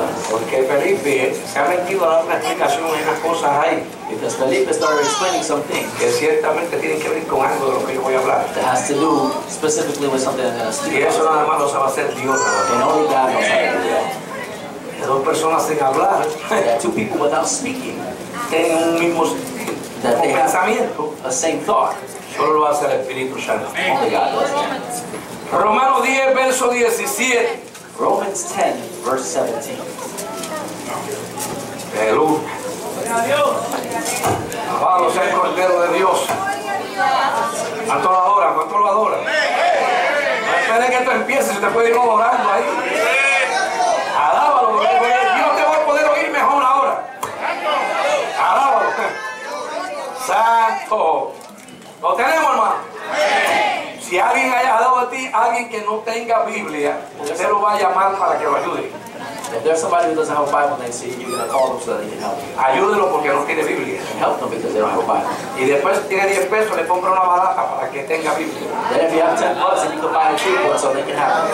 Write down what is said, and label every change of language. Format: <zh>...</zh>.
<es>Porque Felipe se ha metido a dar una explicación en las cosas ahí.</es> <en>Because Felipe started explaining something.</en> <es>Que ciertamente tiene que ver con algo de lo que yo voy a hablar.</es> <en>That has to do specifically with something that I'm going to speak.</en> <es>Y eso nada más lo sabe hacer Dios.</es> <en>And only God knows how to do that.</en> <es>Dos personas sin hablar.</es> <en>Two people without speaking.</en> <es>Tienen un mismo pensamiento.</es> <en>A same thought.</en> <es>Solo lo hace el Espíritu Santo.</es> <en>Only God does that.</en> <es>Romanos 10, verso 17.</es> <en>Romans 10, verse 17. Hello.</en> <es>Alabado sea el Cordero de Dios. A toda hora, a toda hora. No esperes que esto empiece, se te puede ir orando ahí. Alábalo, Dios te va a poder oír mejor ahora. Alábalo. Santo. Lo tenemos, hermano. Si alguien haya dado a ti, alguien que no tenga Biblia, usted lo va a llamar para que lo ayude.</es> <en>If there's somebody who doesn't have a Bible, they say you're going to call them so that they can help you.</en> <es>Ayúdelo porque no tiene Biblia.</es> <en>And help them because they don't have a Bible.</en> <es>Y después tiene 10 pesos, le compra una baraja para que tenga Biblia.</es> <en>Then if you have 10 bucks, then you can buy a cheap one so they can have it.</en>